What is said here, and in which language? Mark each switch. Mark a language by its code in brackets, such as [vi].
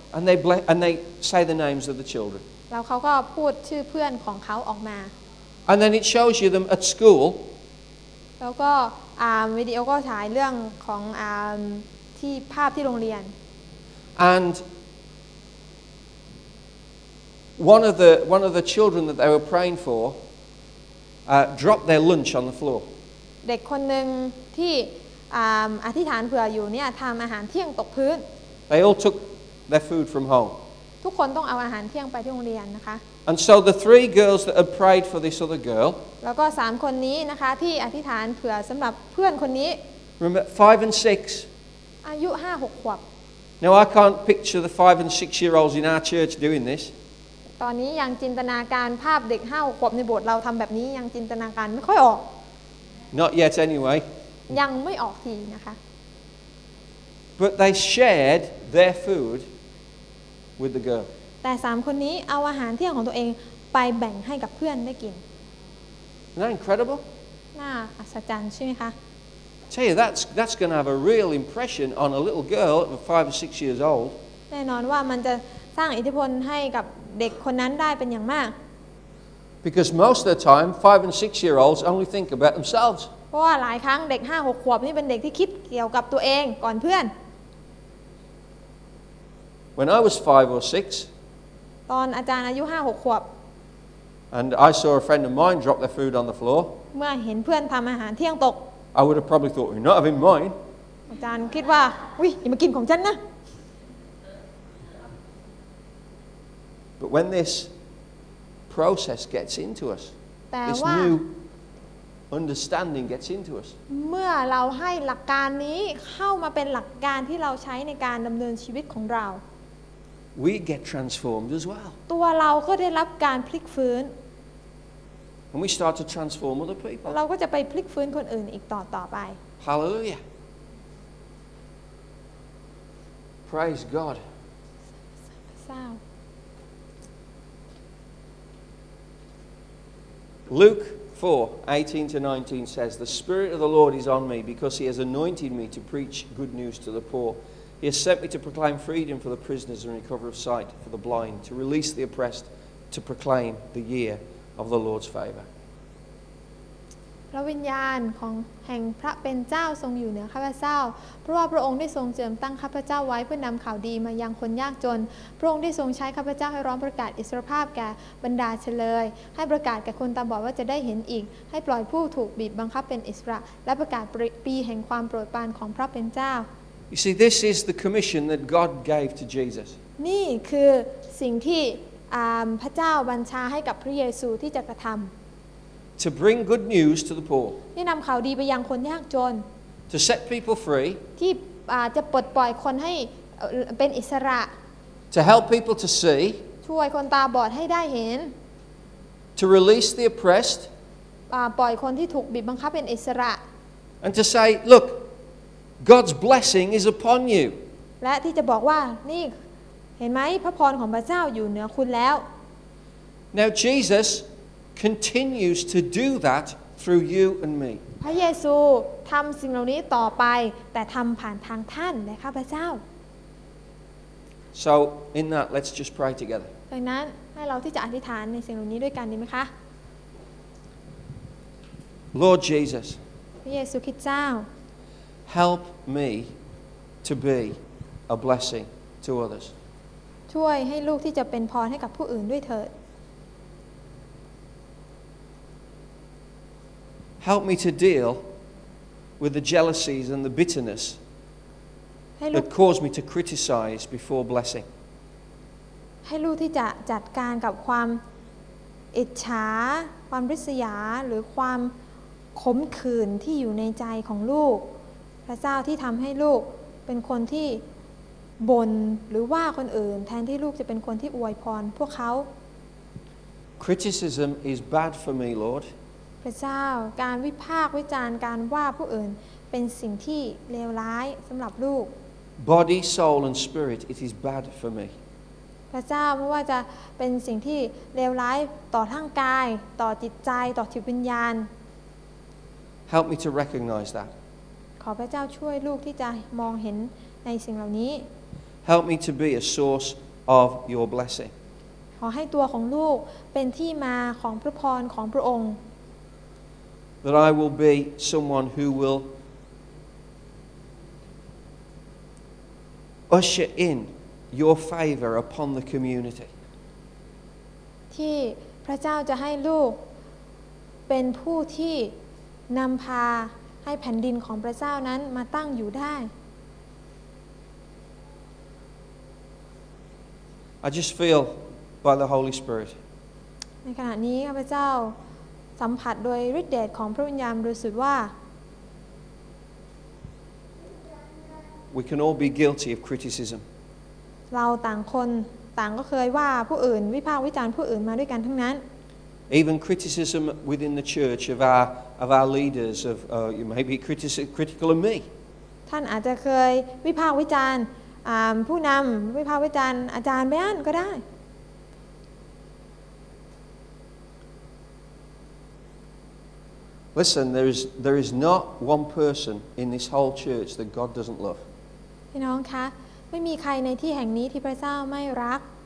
[en] And they say the names of the children [th] แล้วเขาก็พูดชื่อเพื่อนของเขาออกมา [en] And then it shows you them at school [th] แล้วก็วิดีโอก็ฉายเรื่องของที่ภาพที่โรงเรียน [en] And one of the children that they were praying for dropped their lunch on the floor. [th] เด็กคนหนึ่งที่อธิษฐานเผื่ออยู่เนี่ยทำอาหารเที่ยงตกพื้น [en] They all took their food from home. [th] ทุกคนต้องเอาอาหารเที่ยงไปที่โรงเรียนนะคะ [en] And so the 3 girls that had prayed for this other girl. [th] แล้วก็3คนนี้นะคะที่อธิษฐานเผื่อสำหรับเพื่อนคนนี้ [en] Remember 5 and 6. [th] อายุ5-6ขวบ [en] Now I can't picture the 5 and 6 year olds in our church doing this. [th] ตอนนี้ยังจินตนาการภาพเด็ก5ขวบในโบสถ์เราทำแบบนี้ยังจินตนาการไม่ค่อยออก [en] Not yet anyway. [th] ยังไม่ออกทีนะคะ [en] But they shared their food with the girl. [th] แต่3คนนี้เอาอาหารเที่ยงของตัวเองไปแบ่งให้กับเพื่อนได้กิน [en] Isn't that incredible? [th] น่าอัศจรรย์ใช่ไหมคะ [en] Tell you, that's going to have a real impression on a little girl of 5 or 6 years old. [th] แน่นอนว่ามันจะสร้างอิทธิพลให้กับเด็กคนนั้นได้เป็นอย่างมาก [en] Because most of the time, 5 and 6 year olds only think about themselves. [th] เ เพราะว่าหลายครั้งเด็ก 5-6 ขวบนี่เป็นเด็กที่คิดเกี่ยวกับตัวเองก่อนเพื่อน [en] When I was 5 or 6 [th] ตอนอาจารย์อายุ 5-6 ขวบ [en] And I saw a friend of mine drop their food on the floor [th] เมื่อเห็นเพื่อนทําอาหารเที่ยงตก [en] I would have probably thought you're not having mine [th] อาจารย์คิดว่าอุ๊ยอย่ามากินของฉันนะ [en] But when this process gets into us this new understanding gets into us [th] เมื่อเราให้หลักการนี้เข้ามาเป็นหลักการที่เราใช้ในการดําเนินชีวิตของเรา [en] we get transformed as well [th] ตัวเราก็ได้รับการพลิกฟื้น [en] and we start to transform other people [th] เราก็จะไปพลิกฟื้นคนอื่นอีกต่อไป [en] hallelujah praise god Luke 4:18-19 says, The Spirit of the Lord is on me because he has anointed me to preach good news to the poor. He has sent me to proclaim freedom for the prisoners and recovery of sight for the blind, to release the oppressed, to proclaim the year of the Lord's favor. [th] พระวิญญาณของแห่งพระเป็นเจ้าทรงอยู่เหนือข้าพเจ้าเพราะว่าพระองค์ได้ทรงเจิมตั้งข้าพเจ้าไว้เพื่อนำข่าวดีมายังคนยากจนพระองค์ได้ทรงใช้ข้าพเจ้าให้ร้องประกาศอิสรภาพแก่บรรดาเชลยให้ประกาศแก่คนตาบอดว่าจะได้เห็นอีกให้ปล่อยผู้ถูกบีบบังคับเป็นอิสระและประกาศปีแห่งความโปรดปรานของพระเป็นเจ้า [en] You see this is the commission that God gave to Jesus [th] นี่คือสิ่งที่พระเจ้าบัญชาให้กับพระเยซูที่จะกระทำ [en] To bring good news to the poor. [th] นี่นำข่าวดีไปยังคนยากจน [en] To set people free. [th] ที่จะปลดปล่อยคนให้เป็นอิสระ [en] To help people to see. [th] ช่วยคนตาบอดให้ได้เห็น [en] To release the oppressed. [th] ปล่อยคนที่ถูกบีบบังคับเป็นอิสระ [en] And to say, look, God's blessing is upon you. [th] และที่จะบอกว่านี่เห็นไหมพระพรของพระเจ้าอยู่เหนือคุณแล้ว [en] Now Jesus. Continues to do that through you and me. [th] พระเยซูทำสิ่งเหล่านี้ต่อไปแต่ทำผ่านทางท่านนะคะพระเจ้า [en] So in that, let's just pray together. [th] ดังนั้นให้เราที่จะอธิษฐานในสิ่งเหล่านี้ด้วยกันดีไหมคะ [en] Lord Jesus. [th] พระเยซูคริสต์เจ้า [en] Help me to be a blessing to others. [th] ช่วยให้ลูกที่จะเป็นพรให้กับผู้อื่นด้วยเถิด [en] Help me to deal with the jealousies and the bitterness that cause me to criticize before blessing. [th] ให้ลูกที่จะจัดการกับความอิจฉาความริษยาหรือความขมขื่นที่อยู่ในใจของลูกพระเจ้าที่ทำให้ลูกเป็นคนที่บ่นหรือว่าคนอื่นแทนที่ลูกจะเป็นคนที่อวยพรพวกเขา [en] Criticism is bad for me, Lord. [th] พระเจ้าการวิพากษ์วิจารณ์การว่าผู้อื่นเป็นสิ่งที่เลวร้ายสำหรับลูก [en] Body, soul and spirit it is bad for me [th] พระเจ้าไม่ว่าจะเป็นสิ่งที่เลวร้ายต่อร่างกายต่อจิตใจต่อจิตวิญญาณ [en] Help me to recognize that [th] ขอพระเจ้าช่วยลูกที่จะมองเห็นในสิ่งเหล่านี้ [en] Help me to be a source of your blessing [th] ขอให้ตัวของลูกเป็นที่มาของพระพรของพระองค์ [en] That I will be someone who will usher in your favor upon the community. [th] ที่พระเจ้าจะให้ลูกเป็นผู้ที่นำพาให้แผ่นดินของพระเจ้านั้นมาตั้งอยู่ได้ [en] I just feel by the Holy Spirit. [th] ในขณะนี้พระเจ้าสัมผัสโดยฤทธิ์เดชของพระวิญญาณรู้สึกว่า [en] We can all be guilty of criticism. [th] เราต่างคนต่างก็เคยว่าผู้อื่นวิพากษ์วิจารณ์ผู้อื่นมาด้วยกันทั้งนั้น [en] Even criticism within the church of our leaders of you may be critical of me. [th] ท่านอาจจะเคยวิพากษ์วิจารณ์ผู้นำวิพากษ์วิจารณ์อาจารย์บ้างก็ได้ [en] Listen, there is not one person in this whole church that God doesn't love. [th] พี่น้องคะไม่มีใครในที่แห่งนี้ที่พระเจ้าไม่รัก